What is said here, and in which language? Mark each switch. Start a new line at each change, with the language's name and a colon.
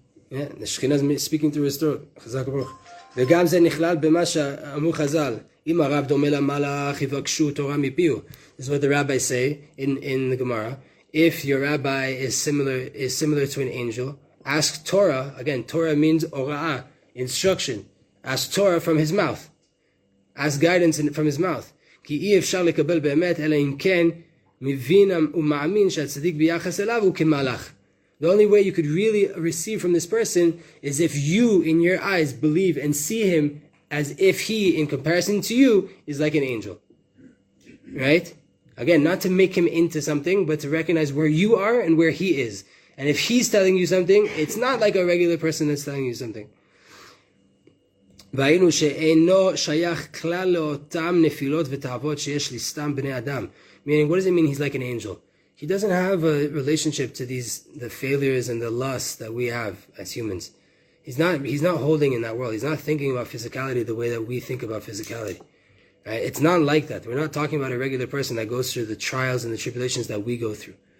English: Yeah, the Shekhinah is speaking through his throat.
Hebrew: Chazak Baruch. וגם זה נכלל במה שאמרו חז"ל, אם הרב דומה למלאך יבקשו תורה מפיו.
English: This is what the rabbi say in the Gemara. If your rabbi is similar to an angel, ask Torah. Again, Torah means oraa, instruction. Ask Torah from his mouth. Ask guidance from his mouth.
Hebrew: כי אי אפשר לקבל באמת, אלא אם כן מבין ומאמין שהצדיק ביחס אליו הוא כמלאך.
English: The only way you could really receive from this person is if you, in your eyes, believe and see him as if he, in comparison to you, is like an angel. Right? Again, not to make him into something, but to recognize where you are and where he is. And if he's telling you something, it's not like a regular person that's telling you something.
Hebrew: והיינו שאינו שייך כלל לאותם נפילות ותאוות שיש לסתם בני אדם.
English: Meaning, what does it mean he's like an angel? He doesn't have a relationship to the failures and the lusts that we have as humans. He's not holding in that world. He's not thinking about physicality the way that we think about physicality. Right? It's not like that. We're not talking about a regular person that goes through the trials and the tribulations that we go through.